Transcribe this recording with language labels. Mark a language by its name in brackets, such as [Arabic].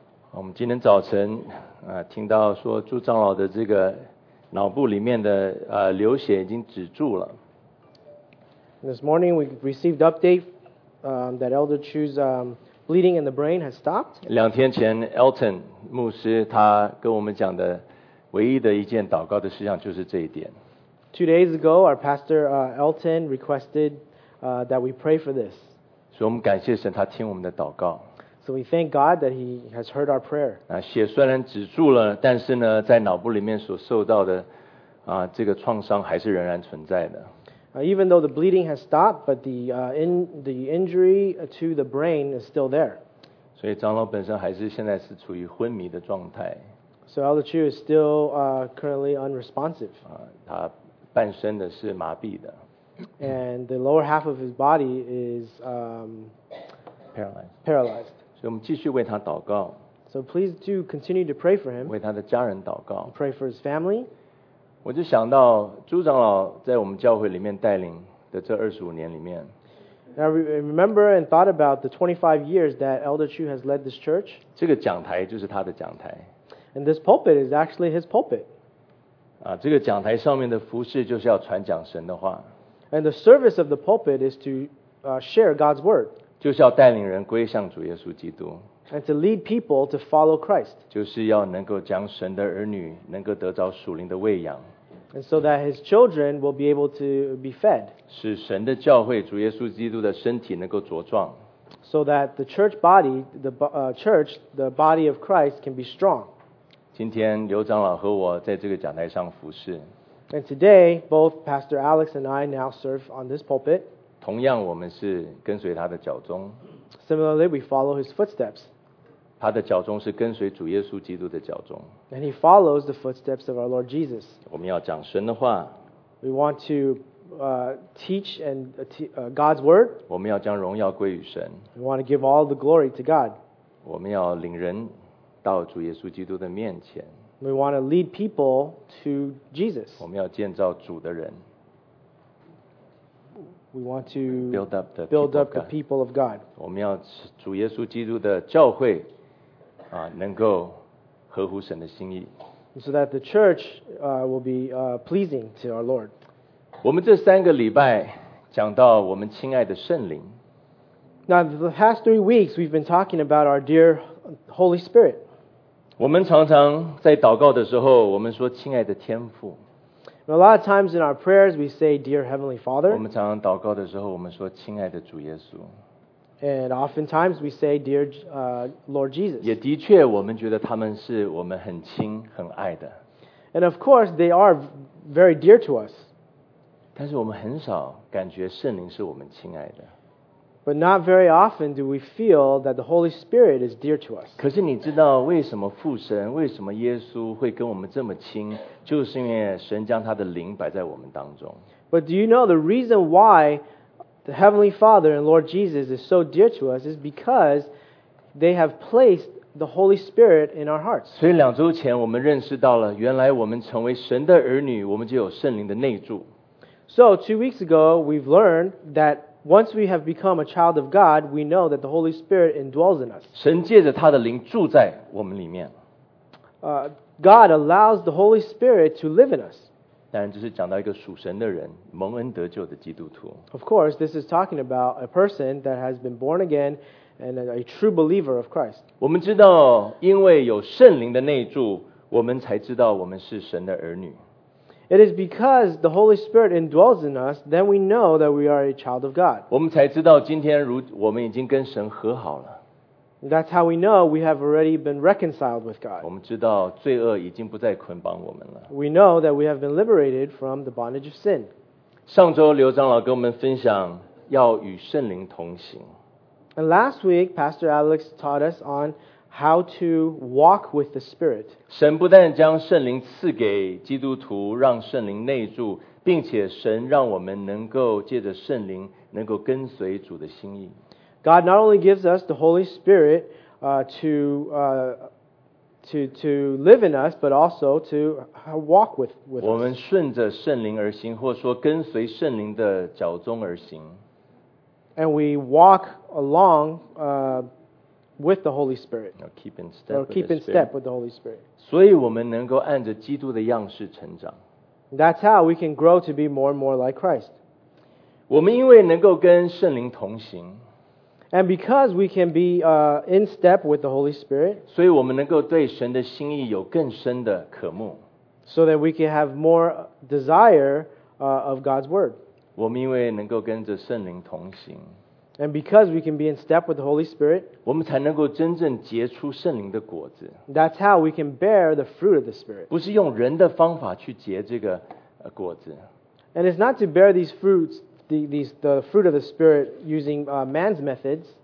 [Chinese] 我们今天早晨听到说朱长老的这个脑部里面的流血已经止住了。 [English] This morning we received update that Elder Chu's bleeding in the brain has stopped. [Chinese] 两天前 Elton 牧师他跟我们讲的唯一的一件祷告的事项就是这一点。 [English] Two days ago, our pastor Elton requested that we pray for this. [Chinese] 所以我们感谢神，他听我们的祷告。 [English] So we thank God that he has heard our prayer. [Chinese] 血虽然止住了，但是呢，在脑部里面所受到的这个创伤还是仍然存在的。 [English] Even though the bleeding has stopped, but the injury to the brain is still there. [Chinese] 所以长老本身还是现在是处于昏迷的状态。 [English] So Elder Chu is still currently unresponsive. [Chinese] 他半身的是麻痹的。 [English] And the lower half of his body is paralyzed. [Chinese] 所以我们继续为他祷告。 [English] So please do continue to pray for him. [Chinese] 为他的家人祷告。 [English] Pray for his family. [Chinese] 我就想到朱长老在我们教会里面带领的这25年里面。 [English] Now remember and thought about the 25 years that Elder Chu has led this church. [Chinese] 这个讲台就是他的讲台。 [English] And this pulpit is actually his pulpit. [Chinese] 这个讲台上面的服事就是要传讲神的话。 [English] And the service of the pulpit is to share God's word. [Chinese] 就是要带领人归向主耶稣基督。 [English] And to lead people to follow Christ. [Chinese] 就是要能够将神的儿女能够得着属灵的喂养。 [English] And so that his children will be able to be fed. [Chinese] 使神的教会主耶稣基督的身体能够茁壮。 [English] So that the church body, the body of Christ can be strong. [Chinese] 今天刘长老和我在这个讲台上服事。 [English] And today, both Pastor Alex and I now serve on this pulpit. [Chinese] 同样，我们是跟随他的脚踪。 [English] Similarly, we follow his footsteps. [Chinese] 他的脚踪是跟随主耶稣基督的脚踪。 [English] And he follows the footsteps of our Lord Jesus. [Chinese] 我们要讲神的话。 [English] We want to teach and God's word. [Chinese] 我们要将荣耀归于神。 [English] We want to give all the glory to God. [Chinese] 我们要领人。到主耶稣基督的面前。 [English] We want to lead people to Jesus. [Chinese] 我们要建造主的人。 [English] We want to build up the people of God. [Chinese] 我们要主耶稣基督的教会能够合乎神的心意。 [English] So that the church will be pleasing to our Lord. [Chinese] 我们这三个礼拜讲到我们亲爱的圣灵。 [English] Now the past 3 weeks we've been talking about our dear Holy Spirit. [Chinese] 我们常常在祷告的时候，我们说“亲爱的天父”。 [English] A lot of times in our prayers, we say, "Dear Heavenly Father." [Chinese] 我们常常祷告的时候，我们说“亲爱的主耶稣”。 [English] And oftentimes we say, "Dear Lord Jesus." [Chinese] 也的确，我们觉得他们是我们很亲、很爱的。 [English] And of course, they are very dear to us. [Chinese] 但是我们很少感觉圣灵是我们亲爱的。 [English] But not very often do we feel that the Holy Spirit is dear to us. [Chinese] 可是你知道为什么父神，为什么耶稣会跟我们这么亲，就是因为神将他的灵摆在我们当中。 [English] But do you know the reason why the Heavenly Father and Lord Jesus is so dear to us is because they have placed the Holy Spirit in our hearts. [Chinese] 所以两周前我们认识到了，原来我们成为神的儿女，我们就有圣灵的内住。 [English] So 2 weeks ago we've learned that Once we have become a child of God, we know that the Holy Spirit indwells in us. [Chinese] 神借着他的灵住在我们里面。 [English] God allows the Holy Spirit to live in us. [Chinese] 当然，这是讲到一个属神的人，蒙恩得救的基督徒。 [English] Of course, this is talking about a person that has been born again and a true believer of Christ. [Chinese] 我们知道，因为有圣灵的内住，我们才知道我们是神的儿女。 [English] It is because the Holy Spirit indwells in us, then we know that we are a child of God. [Chinese] 我们才知道今天如我们已经跟神和好了。 [English] That's how we know we have already been reconciled with God. [Chinese] 我们知道罪恶已经不再捆绑我们了。 [English] We know that we have been liberated from the bondage of sin. [Chinese] 上周刘长老跟我们分享要与圣灵同行。 [English] And last week, Pastor Alex taught us on How to walk with the Spirit. [Chinese] 神不但将圣灵赐给基督徒，让圣灵内住，并且神让我们能够借着圣灵能够跟随主的心意。 [English] God not only gives us the Holy Spirit, to to live in us, but also to walk with us. [Chinese] 我们顺着圣灵而行，或说跟随圣灵的脚踪而行。 [English] And we walk along with the Holy Spirit. Keep in step with the Holy Spirit. [Chinese] 所以我们能够按着基督的样式成长。 [English] That's how we can grow to be more and more like Christ. [Chinese] 我们因为能够跟圣灵同行。 [English] And because we can be in step with the Holy Spirit, [Chinese] 所以我们能够对神的心意有更深的渴慕。 [English] So that we can have more desire of God's Word. [Chinese] 我们因为能够跟着圣灵同行。 [English] And because we can be in step with the Holy Spirit, [Chinese] 我们才能够真正结出圣灵的果子。 [English] That's how we can bear the fruit of the Spirit. [Chinese] 不是用人的方法去结这个果子。 [English] And it's not to bear these fruits, the fruit of the Spirit using man's methods.